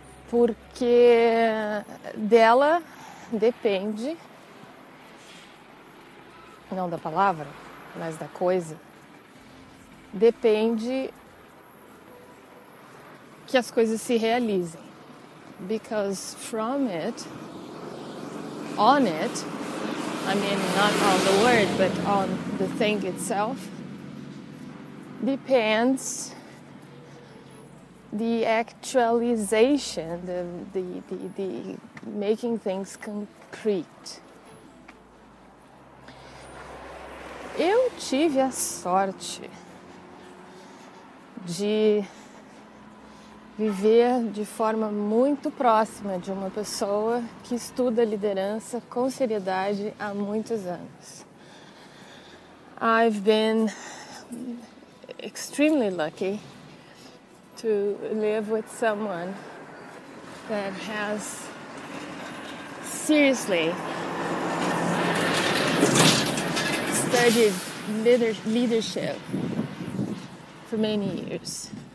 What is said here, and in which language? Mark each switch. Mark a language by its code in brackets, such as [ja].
[pt] Porque dela depende, não da palavra, mas da coisa, depende que as coisas se realizem. [en] Because from it, on it, I mean, not on the word, but on the thing itself, depends the actualization, the making things concrete. [pt] Eu tive a sorte de viver de forma muito próxima de uma pessoa que estuda liderança com seriedade há muitos anos. [en] I've been extremely lucky to live with someone that has seriously studied leadership for many years.